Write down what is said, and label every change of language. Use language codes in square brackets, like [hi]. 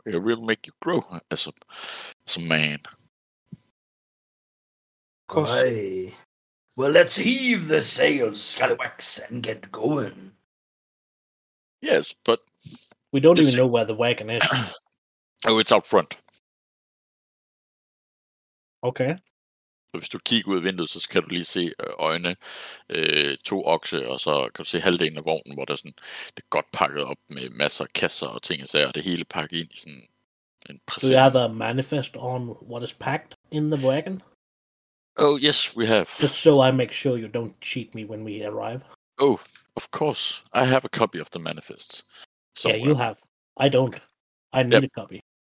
[en] It will make you grow as a man. Aye. Well, let's heave the sails, Scallywags, and get going. Yes, but... We don't even know where the wagon is. Oh, it's out front. Okay. [da] Så hvis du kigger ud af vinduet, så kan du lige se øjne, to okse, og så kan du se halvdelen af vognen, hvor der sådan, det er godt pakket op med masser af kasser og ting, og det hele pakket ind i sådan en præsent. [en] Do you have a manifest on what is packed in the wagon? Oh, yes, we have. Just so I make sure you don't cheat me when we arrive. Oh, of course. I have a copy of the manifest. Somewhere. Yeah, you have. I don't. I need a copy.